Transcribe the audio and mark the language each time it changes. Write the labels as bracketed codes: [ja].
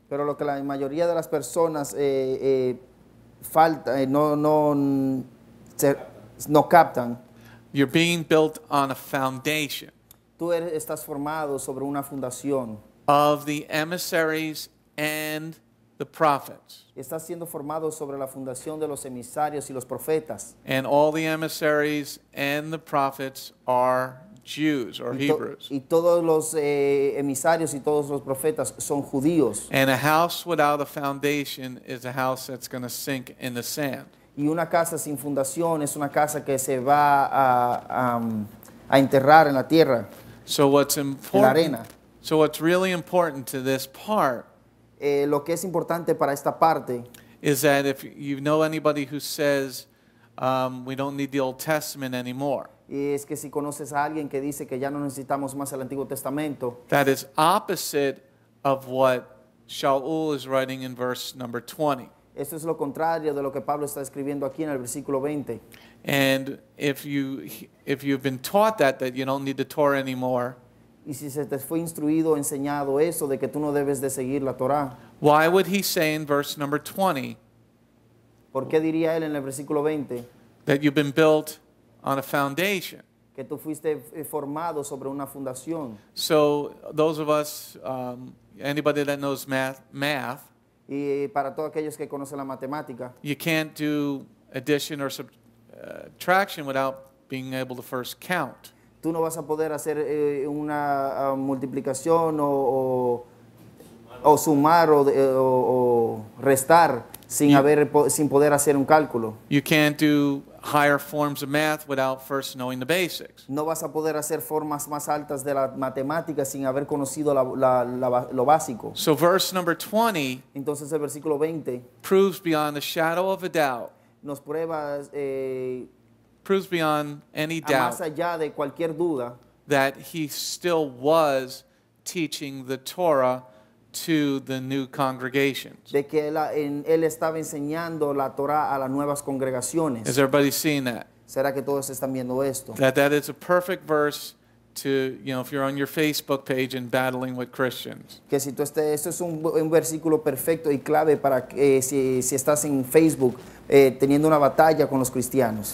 [es] Pero lo que la mayoría de las personas falta no captan. [en] You're being built on a foundation. [es] Tú estás formado sobre una fundación. [en] Of the emissaries and the prophets. [es] Estás siendo formado sobre la fundación de los emisarios y los profetas. [en] And all the emissaries and the prophets are Jews or Hebrews. [es] Y todos los emisarios y todos los profetas son judíos. [en] And a house without a foundation is a house that's going to sink in the sand. [es] Y una casa sin fundación es una casa que se va a enterrar en la tierra. [en] So what's important? [es] En la arena. [en] So what's really important to this part? [es] Lo que es importante para esta parte [en] is that if you know anybody who says we don't need the Old Testament anymore. [es] Y es que si conoces a alguien que dice que ya no necesitamos más el Antiguo Testamento. [en] That is opposite of what Shaul is writing in verse number 20. [es] Esto es lo contrario de lo que Pablo está escribiendo aquí en el versículo 20. [en] And if you've been taught that you don't need the Torah anymore. [es] Y si se te fue instruido o enseñado eso de que tú no debes de seguir la Torá. [en] Why would he say in verse number 20? [es] ¿Por qué diría él en el versículo 20? [en] That you've been built on a foundation. [es] Que tú fuiste formado sobre una fundación. [en] So those of us, anybody that knows math, [es] y para todos aquellos que conocen la matemática, [en] you can't do addition or subtraction without being able to first count. [es] Tú no vas a poder hacer una multiplicación o sumar o restar sin poder hacer un cálculo. [en] You can't do higher forms of math without first knowing the basics. [es] No vas a poder hacer formas más altas de la matemática sin haber conocido lo básico. [en] So verse number 20, [es] entonces el versículo 20, [en] proves beyond the shadow of a doubt, [es] nos prueba, [en] proves beyond any doubt, [es] más allá de cualquier duda, [en] that he still was teaching the Torah to the new congregations. [es] De que él estaba enseñando la Torá a las nuevas congregaciones. [en] Is everybody seeing that? [es] ¿Será que todos están viendo esto? [en] That is a perfect verse to, you know, if you're on your Facebook page and battling with Christians. [es] Que si tú estás, esto es un versículo perfecto y clave para si estás en Facebook teniendo una batalla con los cristianos.